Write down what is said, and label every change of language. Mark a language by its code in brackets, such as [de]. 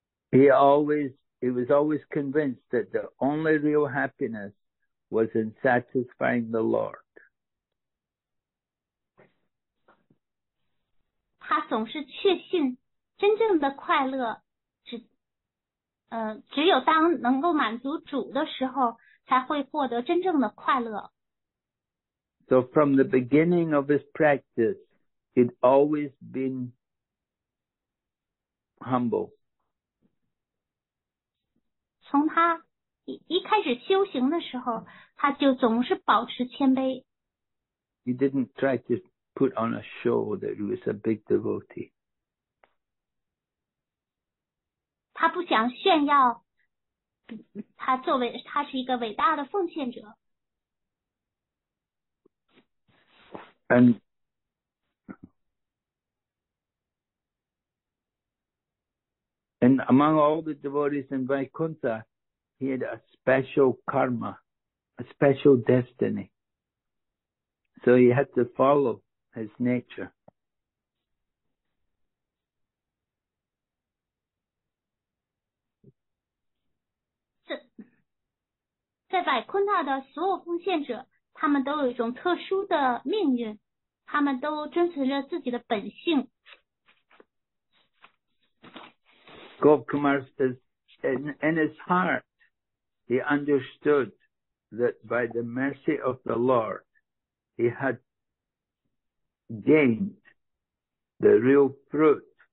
[en] He was always convinced that the only real happiness was in satisfying the Lord. [zh] 他总是确信真正的快乐只有当能够满足主的时候才会获得真正的快乐。 [en] So from the beginning of his practice, he'd always been humble. [zh] 从他一开始修行的时候，他就总是保持谦卑。 [en] He didn't try to put on a show that he was a big devotee. [zh] 他不想炫耀，他是一个伟大的奉献者。 [en] And among all the devotees in Vaikuntha, he had a special karma, a special destiny. So he had to follow his nature. [zh] 在百昆纳的所有奉献者，他们都有一种特殊的命运，他们都遵循着自己的本性。 [en] Gop Kumar says, in his heart, he understood that by the mercy of the Lord, he had gained the real fruit.